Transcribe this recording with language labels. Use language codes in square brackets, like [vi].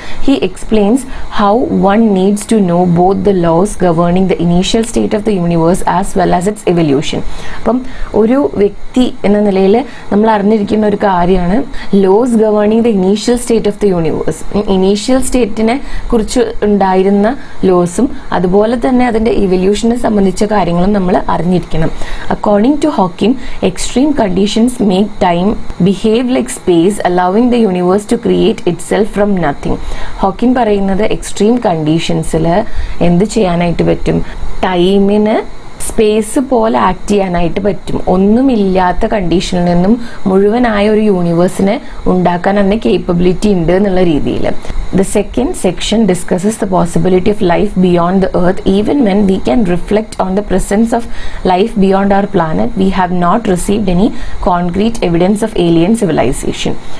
[en] He explains how one needs to know both the laws governing the initial state of the universe as well as its evolution. [ml] അപ്പം ഒരു വ്യക്തി എന്ന നിലയിൽ നമ്മൾ അറിഞ്ഞിരിക്കുന്ന ഒരു കാര്യമാണ് [en] Laws governing the initial state of the universe. [ml] Initial സ്റ്റേറ്റിനെ കുറിച്ച് ഉണ്ടായിരുന്ന ലോസും അതുപോലെ തന്നെ അതിൻ്റെ ഇവല്യൂഷനെ സംബന്ധിച്ച കാര്യങ്ങളും നമ്മൾ അറിഞ്ഞിരിക്കണം. [en] According to Hawking extreme conditions make time behave like space allowing the universe to create itself from nothing. [ml] Hawking parayunnathu extreme conditions il endu cheyanayittu pattum time ne space പോലെ ആക്ട് ചെയ്യാനായിട്ട് പറ്റും. ഒന്നുമില്ലാത്ത കണ്ടീഷനിൽ നിന്നും മുഴുവനായ ഒരു യൂണിവേഴ്സിനെ ഉണ്ടാക്കാൻ അതിന് കേപ്പബിലിറ്റി ഉണ്ട് എന്നുള്ള രീതിയിൽ. [en] The second section discusses the possibility of life beyond the earth. Even when we can reflect on the presence of life beyond our planet we have not received any concrete evidence of alien civilization.